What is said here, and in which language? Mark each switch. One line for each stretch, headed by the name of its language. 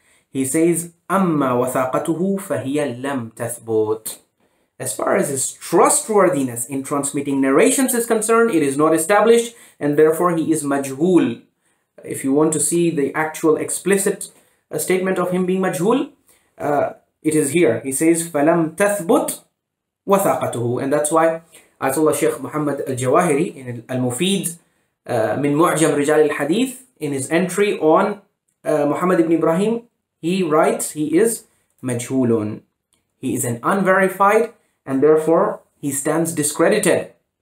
English: He says,
Arabic: amma wathaqatuhu fahiya lam tathbut.
English: As far as his trustworthiness in transmitting narrations is concerned, it is not established, and therefore he is majhul. If you want to see the actual explicit statement of him being majhul, it is here. He says,
Arabic: فَلَمْ تَثْبُتْ وَثَاقَتُهُ.
English: And that's why Ayatollah Sheikh Muhammad Al-Jawahiri in Al-Mufid min Mu'jam Rijal Al-Hadith, in his entry on Muhammad ibn Ibrahim, he writes, he is majhulun. He is an unverified, and therefore he stands discredited.